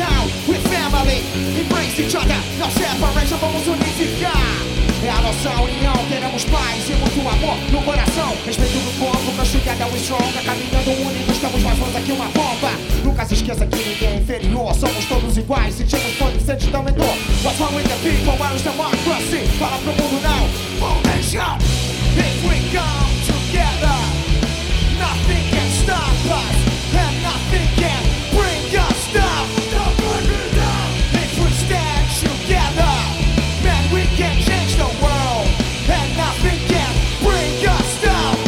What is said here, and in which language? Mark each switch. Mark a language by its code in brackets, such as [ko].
[pt] briga, não separa, já vamos unificar. É a nossa união, queremos paz e muito amor no coração. Respeito do povo, nós [en] together we strong. [pt] Caminhando unidos, temos mais força que uma bomba. Nunca se esqueça que ninguém é inferior, somos todos iguais, sentimos todo o sentido também dor. [en] What's wrong with the people, where is democracy? [pt] Fala pro mundo não, formation. [en] If we come together, nothing can stop us. And nothing can bring us down. Don't bring me down. If we stand together, man, we can change the world. And nothing can bring us down.